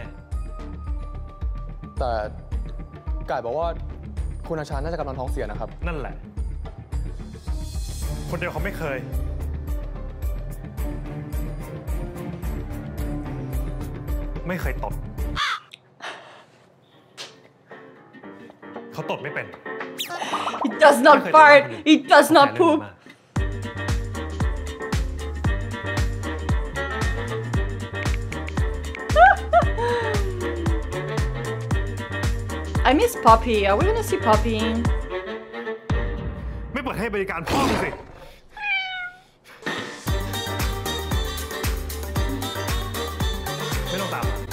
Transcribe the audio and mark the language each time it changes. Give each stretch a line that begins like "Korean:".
Thai: แต่กายบอกว่าคุณอาชาน่าจะกำลังท้องเสียนะครับ นั่นแหละคนเดียวเขาไม่เคยไม่เคยตบเขาตบไม่เป็น
English: It does not fart It does not poopI miss Poppy. Are we gonna see Poppy?
Thai: ไม่เปิดให้บริการพ่อมึงสิ ไม่ต้องตาม